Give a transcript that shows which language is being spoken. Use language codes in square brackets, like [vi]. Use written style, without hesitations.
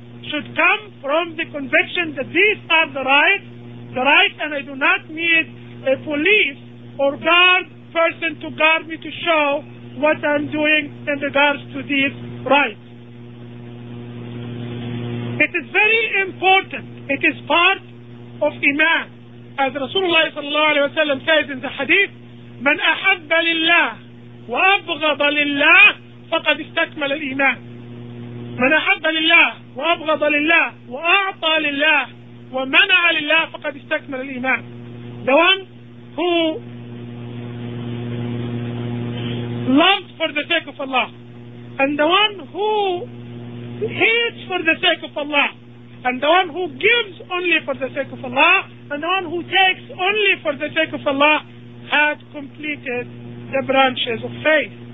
[en] should come from the conviction that these are the right, and I do not need a police or guard person to guard me to show what I'm doing in regards to these rights. It is very important. It is part of Iman. As Rasulullah sallallahu alayhi wa sallam says in the hadith, [ar] من أحب لله وأبغض لله فقد استكمل الإيمان. من أحب لله وأبغض لله وأعطى لله ومنع لله فقد استكمل الإيمان. [en] The one who loves for the sake of Allah, and the one who hates for the sake of Allah, and the one who gives only for the sake of Allah, and the one who takes only for the sake of Allah, had completed the branches of faith.